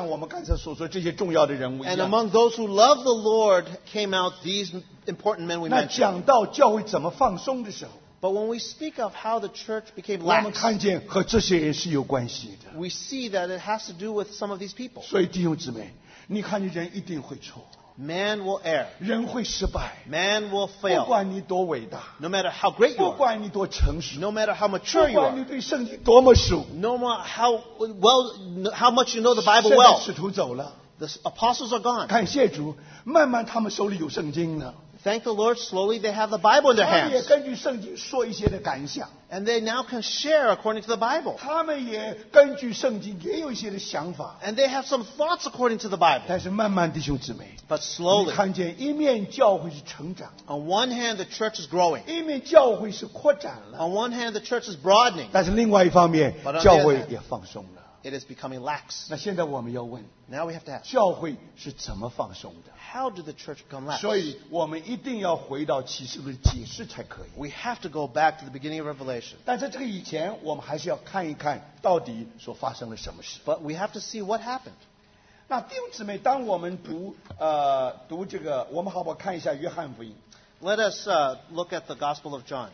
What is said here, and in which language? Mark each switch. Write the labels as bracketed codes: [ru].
[en] And among those who loved the Lord came out these important men we mentioned. But when we speak of how the church became lax, we see that it has to do with some of these people. [zh] 所以弟兄姊妹，你看见人一定会错。 [en] Man will err. [zh] 人会失败, [en] man will fail. [zh] 不管你多伟大, [en] no matter how great you are. [zh] 不管你多成熟, [en] no matter how mature you are. [zh] 不管你对圣经多么熟, [en] no matter how well, how much you know the Bible well. [zh] 现在使徒走了, [en] the apostles are gone. [zh] 感谢主, 慢慢他们手里有圣经了。 [en] Thank the Lord, slowly they have the Bible in their hands. And they now can share according to the Bible. And they have some thoughts according to the Bible. [zh] 但是慢慢弟兄姊妹, [en] but slowly, [zh] 你看见一面教会是成长, [en] on one hand, the church is growing. [zh] 一面教会是扩展了, [en] on one hand, the church is broadening. [zh] 但是另外一方面, [en] but on the other hand, it is becoming lax. [zh] 那现在我们要问, [en] now we have to ask, [zh] 教会是怎么放松的? [en] How did the church become lax? We have to go back to the beginning of Revelation. But we have to see what happened. [zh] 那弟兄姊妹, 当我们读, 读这个, 我们好不好看一下约翰福音, [en] Let us look at the Gospel of John.